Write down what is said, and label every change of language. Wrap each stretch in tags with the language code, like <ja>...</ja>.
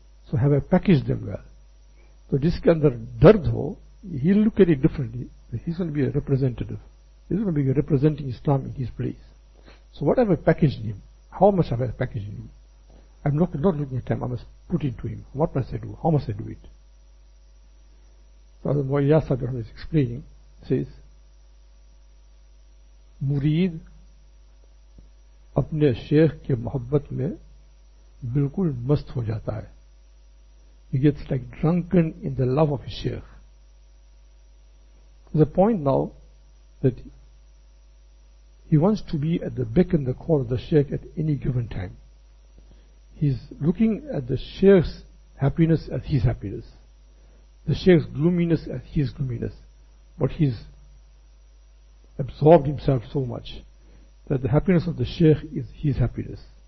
<en>So have I packaged them well? So this can the dard ho, he'll look at it differently. He's going to be a representative. He's going to be representing Islam in his place. So what have I packaged him? How much have I packaged him? I'm not looking at time, I must put it to him. What must I do? How must I do it? So the Muayyad Sadhguru is explaining, says, Murid,</en> <ur>اپنے شیخ کے محبت میں بالکل مست ہو جاتا ہے.</ur> <en>He gets like drunken in the love of his sheikh. The point now that he wants to be at the beck and the call of the sheikh at any given time. He's looking at the sheikh's happiness as his happiness, the sheikh's gloominess as his gloominess, but he's absorbed himself so much that the happiness of the sheikh is his happiness.</en>